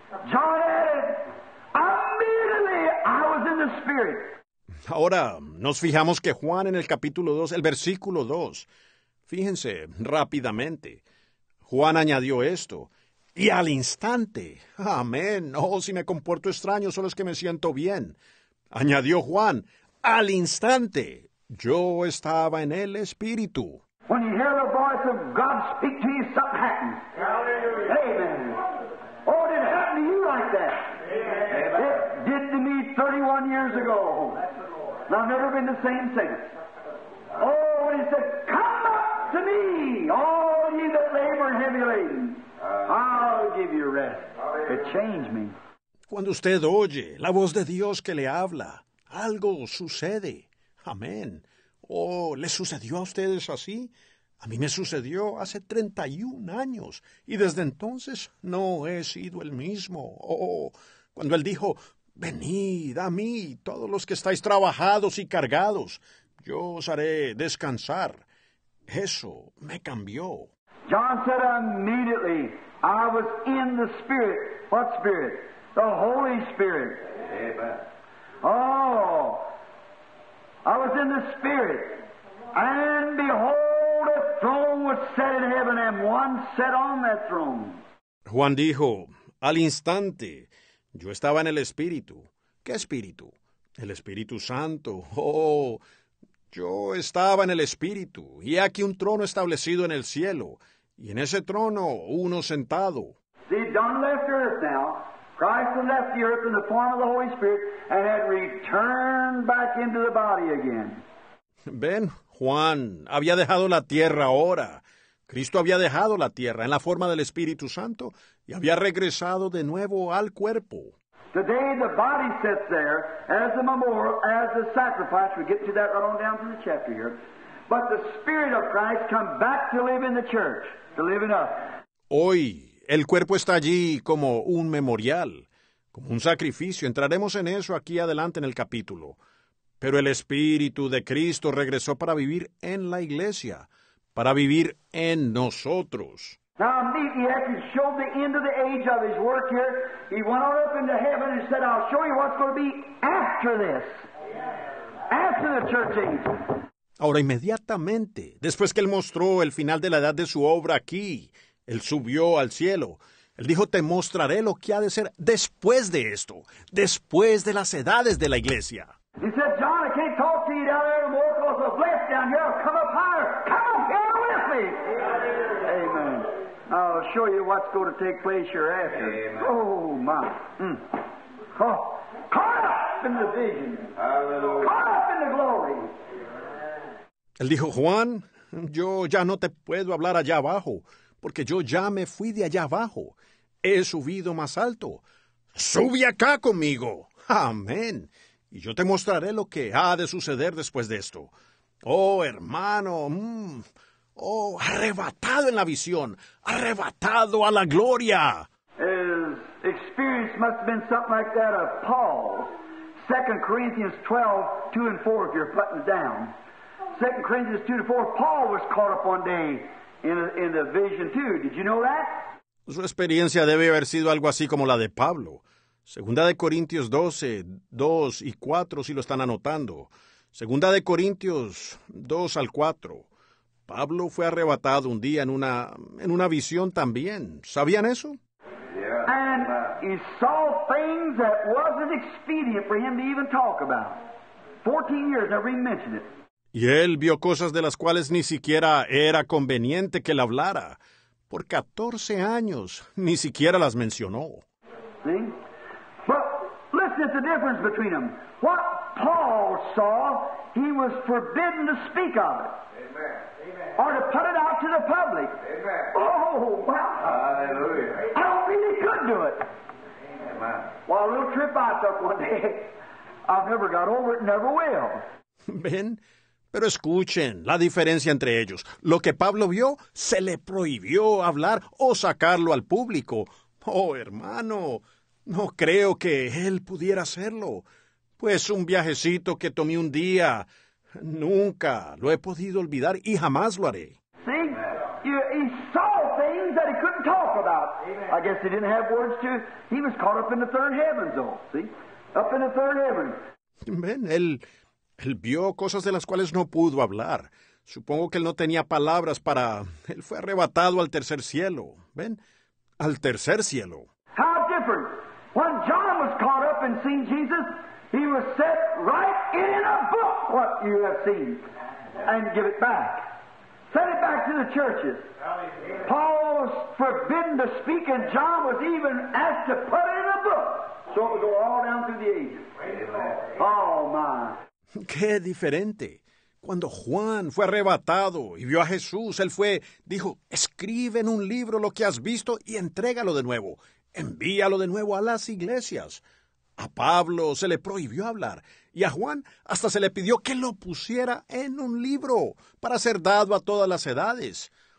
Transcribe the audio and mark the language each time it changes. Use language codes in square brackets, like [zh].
[en] John added, immediately I was in the Spirit. [es] Ahora, nos fijamos que Juan en el capítulo 2, el versículo 2, fíjense rápidamente, Juan añadió esto, y al instante, amén, oh, si me comporto extraño, solo es que me siento bien. Añadió Juan, al instante, yo estaba en el Espíritu. [en] When you hear the voice of God speak to you, something happens. Hallelujah. Amen. Oh, did it happen to you like that? Amen. It did to me 31 years ago. And I've never been the same since. Oh, when he said, come up to me, all ye that labor and heavy laden. I'll give you rest. It changed me. [es] Cuando usted oye la voz de Dios que le habla, algo sucede. Amén. Oh, ¿les sucedió a ustedes así? A mí me sucedió hace 31 años, y desde entonces no he sido el mismo. Oh, cuando él dijo, venid a mí, todos los que estáis trabajados y cargados, yo os haré descansar. Eso me cambió. [en] John said immediately, I was in the Spirit. What Spirit? The Holy Spirit. Amen. Oh, I was in the Spirit, and behold, a throne was set in heaven, and one sat on that throne. [es] Juan dijo, al instante, yo estaba en el Espíritu. ¿Qué Espíritu? El Espíritu Santo. Oh, yo estaba en el Espíritu, y aquí un trono establecido en el cielo, y en ese trono, uno sentado. [en] See, John left earth now. Christ had left the earth in the form of the Holy Spirit and had returned back into the body again. [es] Ven, Juan había dejado la tierra ahora. Cristo había dejado la tierra en la forma del Espíritu Santo y había regresado de nuevo al cuerpo. [en] Today the body sits there as a memorial, as a sacrifice. We get to that right on down to the chapter here. But the Spirit of Christ come back to live in the church, to live in us. [es] Hoy, el cuerpo está allí como un memorial, como un sacrificio. Entraremos en eso aquí adelante en el capítulo. Pero el Espíritu de Cristo regresó para vivir en la iglesia, para vivir en nosotros. [en] Now, he actually showed the end of the age of his work here. He went on up into heaven and said, I'll show you what's going to be after this. After the church age. [es] Ahora, inmediatamente, después que él mostró el final de la edad de su obra aquí, él subió al cielo. Él dijo, te mostraré lo que ha de ser después de esto, después de las edades de la iglesia. [en] He said, John, I can't talk to you down there anymore because the flesh down here will come up higher. Come up here with me. Amen. I'll show you what's going to take place hereafter. Amen. Oh, my. Mm. Oh, caught up in the vision. Hallelujah. Caught up in the glory. [es] Él dijo, Juan, yo ya no te puedo hablar allá abajo, porque yo ya me fui de allá abajo. He subido más alto. ¡Sube acá conmigo! ¡Amén! Y yo te mostraré lo que ha de suceder después de esto. ¡Oh, hermano! ¡Oh, arrebatado en la visión! ¡Arrebatado a la gloria! [en] His experience must have been something like that of Paul. 2 Corinthians 12, 2 and 4, if you're putting it down. 2 Corinthians 2 to 4, Paul was caught up one day in the vision too. Did you know that? [es] Su experiencia debe haber sido algo así como la de Pablo. Segunda de Corintios 12, 2 y 4, si lo están anotando. Segunda de Corintios 2 al 4. Pablo fue arrebatado un día en una visión también. ¿Sabían eso? [en] Yeah. And he saw things that wasn't expedient for him to even talk about. 14 years, never even mentioned it. [es] Y él vio cosas de las cuales ni siquiera era conveniente que él hablara. Por 14 años, ni siquiera las mencionó. [en] But listen to the difference between them. What Paul saw, he was forbidden to speak of it. Amen. Or to put it out to the public. Amen. Oh, wow. Hallelujah. I don't think he could do it. Amen. Well, a little trip I took one day, I've never got over it, never will. [es] Ben, pero escuchen la diferencia entre ellos. Lo que Pablo vio, se le prohibió hablar o sacarlo al público. Oh, hermano, no creo que él pudiera hacerlo. Pues un viajecito que tomé un día, nunca lo he podido olvidar y jamás lo haré. [en] See, he saw things that he couldn't talk about. I guess he didn't have words to. He was caught up in the third heaven, though. See, up in the third heaven. [es] Ven, él vio cosas de las cuales no pudo hablar. Supongo que él no tenía palabras para... Él fue arrebatado al tercer cielo. ¿Ven? Al tercer cielo. [en] How different. When John was caught up and seen Jesus, he was set right in a book what you have seen and give it back. Send it back to the churches. Paul was forbidden to speak and John was even asked to put it in a book. So it would go all down through the ages. Oh, my. [es] ¡Qué diferente! Cuando Juan fue arrebatado y vio a Jesús, él fue, dijo, escribe en un libro lo que has visto y entrégalo de nuevo. Envíalo de nuevo a las iglesias. A Pablo se le prohibió hablar y a Juan hasta se le pidió que lo pusiera en un libro para ser dado a todas las edades.